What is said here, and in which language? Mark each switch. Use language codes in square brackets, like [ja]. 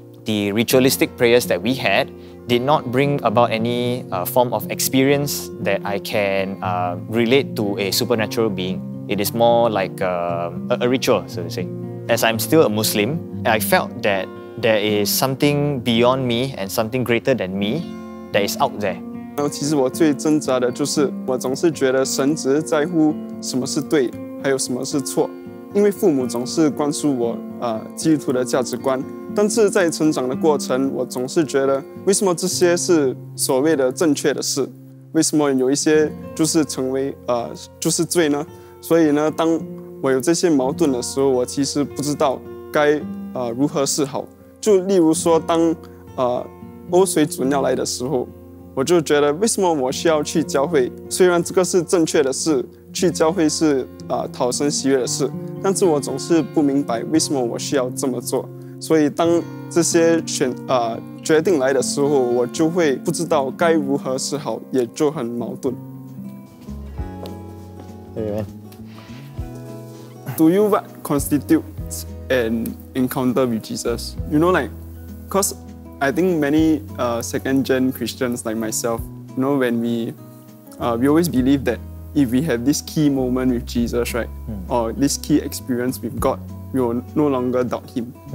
[en] The ritualistic prayers that we had did not bring about any form of experience that I can relate to a supernatural being. It is more like a ritual, so to say. As I'm still a Muslim, I felt that there is something beyond me and something greater than me that is out there. [zh] 然后其实我最挣扎的就是我总是觉得神只是在乎什么是对还有什么是错。因为父母总是灌输我基督徒的价值观，但是在成长的过程，我总是觉得为什么这些是所谓的正确的事，为什么有一些就是成为就是罪呢？所以呢，当我有这些矛盾的时候，我其实不知道该如何是好。就例如说，当欧水主尿来的时候，我就觉得为什么我需要去教会？虽然这个是正确的事，去教会是讨神喜悦的事。但是我总是不明白为什么我需要这么做，所以当这些决定来的时候，我就会不知道该如何是好，也就很矛盾。 [en] Amen. Do you what constitutes an encounter with Jesus? You know, like, because I think many second gen Christians like myself, you know, when we always believe that. If we have this key moment with Jesus, right, or this key experience with God, we will no longer doubt Him.